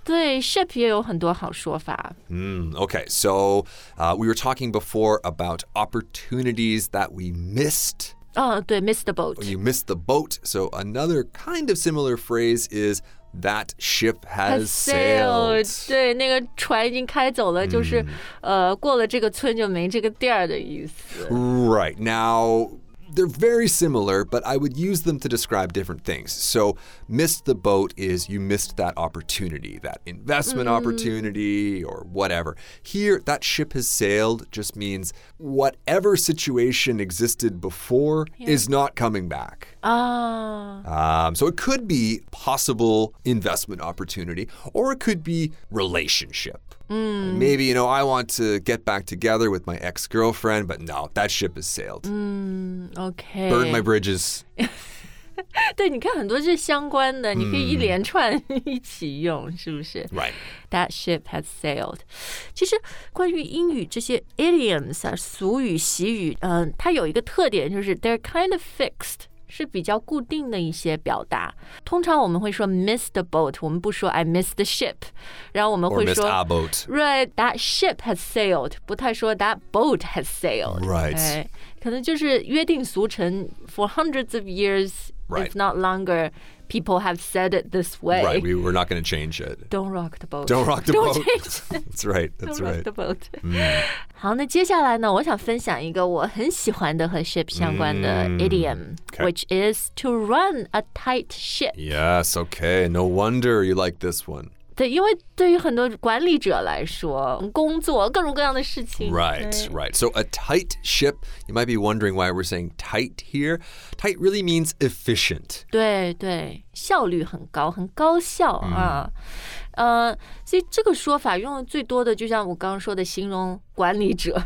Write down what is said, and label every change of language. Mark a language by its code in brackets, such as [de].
[zh] 对 ship 也有很多好说法、 [en] Okay, so、we were talking before about opportunities that we missed Oh, [zh] 对 [en] missed the boat You missed the boat So another kind of similar phrase is That ship has sailed [zh] 对那个船已经开走了、就是、过了这个村就没这个店的意思 [en] Right, nowThey're very similar, but I would use them to describe different things. So, missed the boat is you missed that opportunity, that investment opportunity or whatever. Here, that ship has sailed just means whatever situation existed before is not coming back. So it could be possible investment opportunity or it could be relationship. Maybe, you know, I want to get back together with my ex-girlfriend, but no, that ship has sailed. Okay. Burn my bridges. [zh] 对，你看很多是相关的，你可以一连串一起用，是不是 [en] ？Right. That ship has sailed. [zh] 其实关于英语这些 idioms 啊，俗语、习语，它有一个特点，就是 [en] they're kind of fixed. [zh] 是比较固定的一些表达，通常我们会说 miss the boat， 我们不说 [en] I miss the ship， [zh] 然后我们会说 [en] or miss our boat， right， that ship has sailed， [zh] 不太说 [en] that boat has sailed， right， [zh] 可能就是约定俗成 [en] for hundreds of years， right， if not longer， people have said it this way， right， we were not going to change it， don't rock the boat， don't rock the don't boat， don't change it， that's right， that's don't right， don't rock the boat、 [zh] mm.。 好，那接下来呢，我想分享一个我很喜欢的和 ship 相关的 idiom。 [en] Okay. Which is to run a tight ship. Yes, okay. No wonder you like this one. [zh] 对，因为对于很多管理者来说，工作各种各样的事情。 [en] Right, right. So a tight ship, you might be wondering why we're saying tight here. Tight really means efficient. [zh] 对对，效率很高，很高效啊。所以这个说法用的最多的就像我刚刚说的形容管理者。